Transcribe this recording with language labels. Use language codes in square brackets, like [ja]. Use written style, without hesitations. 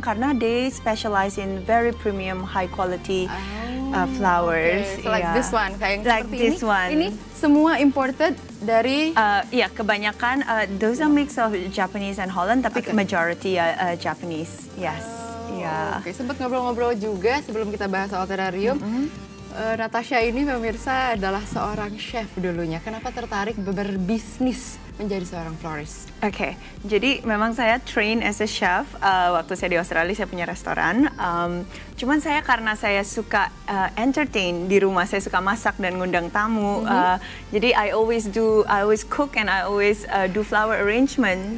[en] Karena they specialize in very premium, high quality flowers. Okay. So like this one, kayak like [id] seperti [en] this [id] ini. [en] One. [id] Ini semua imported dari? Ya, kebanyakan [en] those are mix of Japanese and Holland, tapi majority Japanese. Yes. [id] Okay. Sempat ngobrol-ngobrol juga sebelum kita bahas soal terrarium. Natasha ini pemirsa adalah seorang chef dulunya. Kenapa tertarik berbisnis menjadi seorang florist? Oke, jadi memang saya [en] train as a chef. [id] Waktu saya di Australia, saya punya restoran. Cuman saya karena saya suka entertain di rumah, saya suka masak dan ngundang tamu. [en] Jadi I always cook and I always do flower arrangement.